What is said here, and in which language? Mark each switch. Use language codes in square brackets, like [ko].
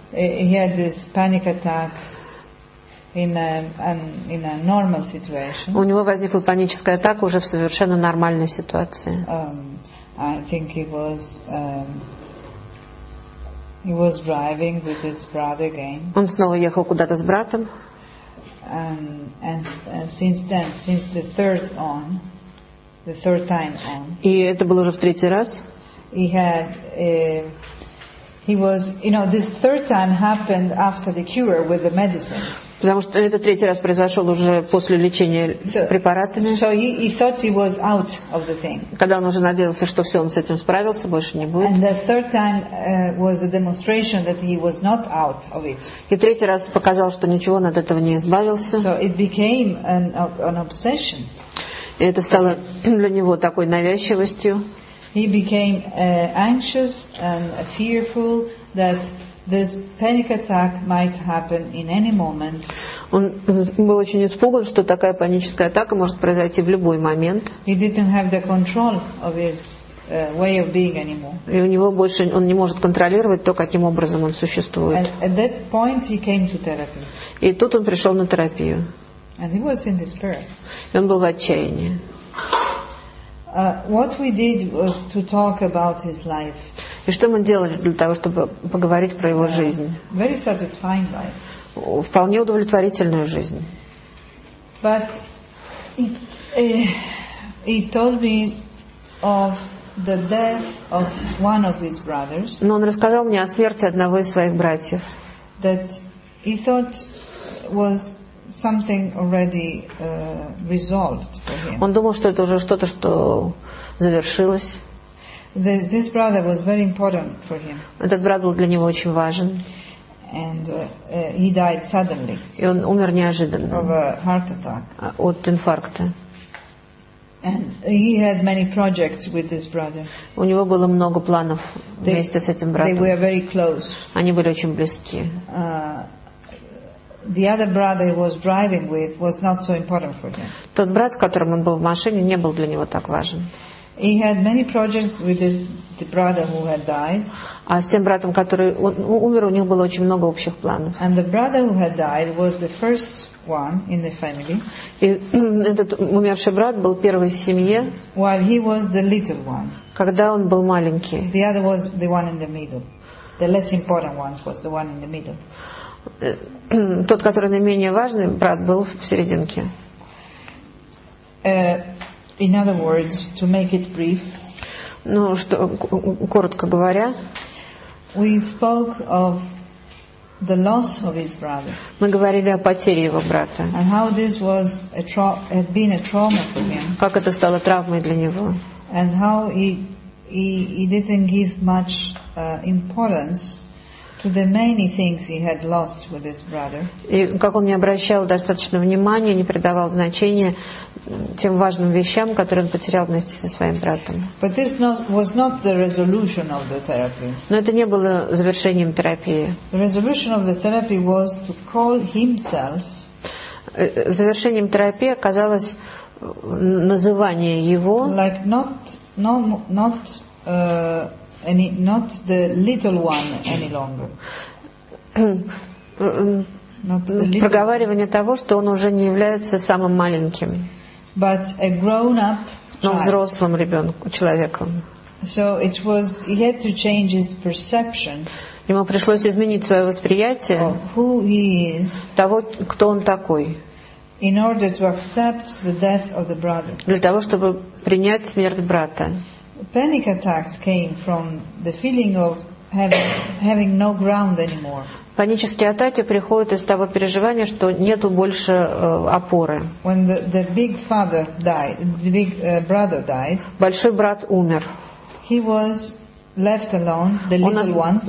[en] He had this panic attack. In a normal situation. [ru] У него возникла паническая атака уже в совершенно нормальной ситуации. [en] I think he was driving with his brother again. [ru] Он снова ехал куда-то с братом. [en] And since then, since the third on, the third time on. [ru] И это было уже в третий раз. [en] He had he was, you know, this third time happened after the cure with the medicines. [ru] Потому что это третий раз произошел уже после лечения препаратами. [en] So he thought he was out of the thing. [ru] Когда он уже надеялся, что все, он с этим справился, больше не будет. [en] And the third time was the demonstration that he was not out of it. [ru] И третий раз показал, что ничего, он от этого не избавился. [en] So it became an obsession. [ru] И это стало для него такой навязчивостью. [en] He became anxious and fearful that this panic attack might happen in any moment. [ru] Он был очень испуган, что такая паническая атака может произойти в любой момент. [en] He didn't have the control of his way of being anymore. [ru] И у него больше он не может контролировать то, каким образом он существует. [en] And at that point he came to therapy. [ru] И тут он пришел на терапию. [en] And he was in despair. [ru] И он был в отчаянии. [en] What we did was to talk about his life. [ru] И что мы делали для того, чтобы поговорить про его жизнь? [en] Very satisfying life. [ru] Вполне удовлетворительную жизнь. [en] But he told me of the death of one of his brothers. [ru] Но он рассказал мне о смерти одного из своих братьев. [en] That he thought was something already resolved for him. [ru] Он думал, что это уже что-то, что завершилось. [en] This brother was very important for him. [ru] Этот брат был для него очень важен. [en] And he died suddenly. [ru] И он умер неожиданно. [en] Of a heart attack. [ru] От инфаркта. [en] And he had many projects with this brother. [ru] У него было много планов вместе с этим братом. [en] They were very close. [ru] Они были очень близки. [en] The other brother he was driving with was not so important for him. [ru] Тот брат, с которым он был в машине, не был для него так важен. [en] He had many projects with the brother who had died. [ru] А с тем братом, который умер, у них было очень много общих планов. [en] And the brother who had died was the first one in the family. [ru] И этот умерший брат был первый в семье. [en] While he was the little one. [ru] Когда он был маленький. [en] The other was the one in the middle. The less important one was the one in the middle. [ru] Тот, который наименее важный, брат был в серединке. [en] In other words, to make it brief, [ru] ну, что, коротко говоря, [en] we spoke of the loss of his brother. [ru] Мы говорили о потере его брата. [en] And how this was had been a trauma for him. [ru] Как это стало травмой для него. [en] And how he didn't give much importance to the many things he had lost with his brother. [ru] И как он не обращал достаточно внимания, не придавал значения тем важным вещам, которые он потерял вместе со своим братом. [en] But this was not the resolution of the therapy. [ru] Но это не было завершением терапии. [en] The resolution of the therapy was to call himself. [ru] Завершением терапии оказалось называние его. [en] Like not the little one any longer. [ru] Проговаривание того, что он уже не является самым маленьким. [en] But a grown-up child. [ru] Но взрослым ребенком, человеком. [en] So it was, he had to change his perception. [ru] Ему пришлось изменить свое восприятие [en] of who he is, [ru] того, кто он такой. [en] in order to accept the death of the brother. [ru] Для того, чтобы принять смерть брата. [en] Panic attacks came from the feeling of having no ground anymore. [ru] Панические атаки приходят из того переживания, что нету больше опоры. [en] When the big father died, the big brother died. [ru] Большой брат умер. [en] He was left alone, the little one.